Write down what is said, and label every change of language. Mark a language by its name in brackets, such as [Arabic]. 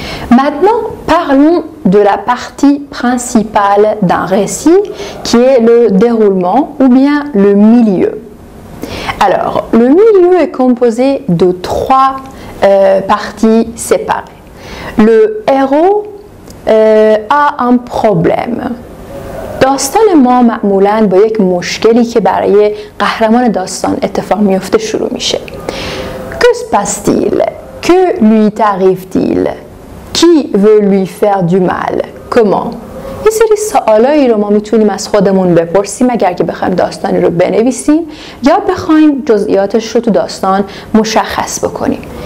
[French] Maintenant, parlons de la partie principale d'un récit qui est le déroulement ou bien le milieu. Alors, le milieu est composé de trois parties séparées. Le héros a un problème. [Persian] داستان ما معمولاً با یک مشکلی که برای قهرمان داستان اتفاق میفته شروع میشه. [French] Que se passe-t-il? Que lui arrive-t-il? Qui veut lui faire du mal? Comment? [Persian] یه سری سوالایی رو ما میتونیم از خودمون بپرسیم اگر که بخوایم داستانی رو بنویسیم یا بخوایم جزئیاتش رو تو داستان مشخص بکنیم.